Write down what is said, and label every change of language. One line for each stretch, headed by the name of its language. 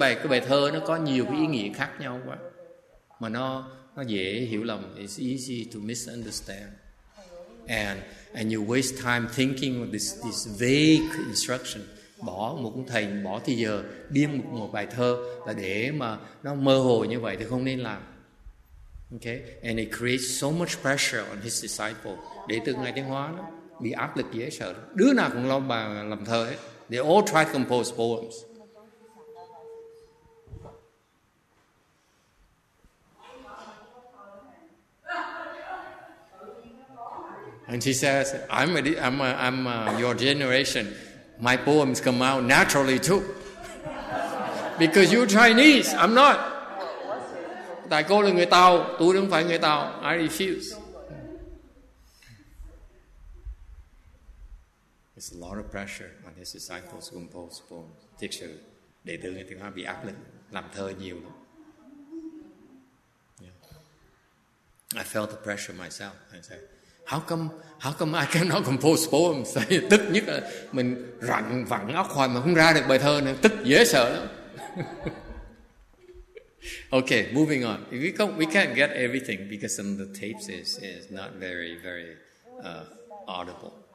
Vietnamese: Cái bài thơ nó có nhiều cái ý nghĩa khác nhau quá. Mà nó dễ hiểu lầm.
English: It's easy to misunderstand. And you waste time thinking of this vague instruction.
Vietnamese: Bỏ một cuốn thầy, bỏ thời giờ biên một bài thơ là để mà nó mơ hồ như vậy thì không nên làm.
English: Okay, and it creates so much pressure on his disciple.
Vietnamese: Để từ ngày Thiên Hóa nó bị áp lực dễ sợ. Đứa nào cũng lo bà làm thơ hết.
English: They all try to compose poems. And she says, I'm your generation. My poems come out naturally too. Because you're Chinese, I'm not.
Vietnamese: Tại cô là người Tàu, tôi không phải người Tàu.
English: I refuse. There's a lot of pressure on his disciples to compose poems.
Vietnamese: Thực sự, đệ tử người Tiếng Hoa bị áp lực, làm thơ nhiều lắm.
English: Yeah. I felt the pressure myself, I said. How come I cannot compose poems?
Vietnamese: Tức nhất là mình rặn vặn óc hoài mà không ra được bài thơ này, tức dễ sợ lắm.
English: Okay, moving on. We can't get everything because some of the tapes is not very very audible.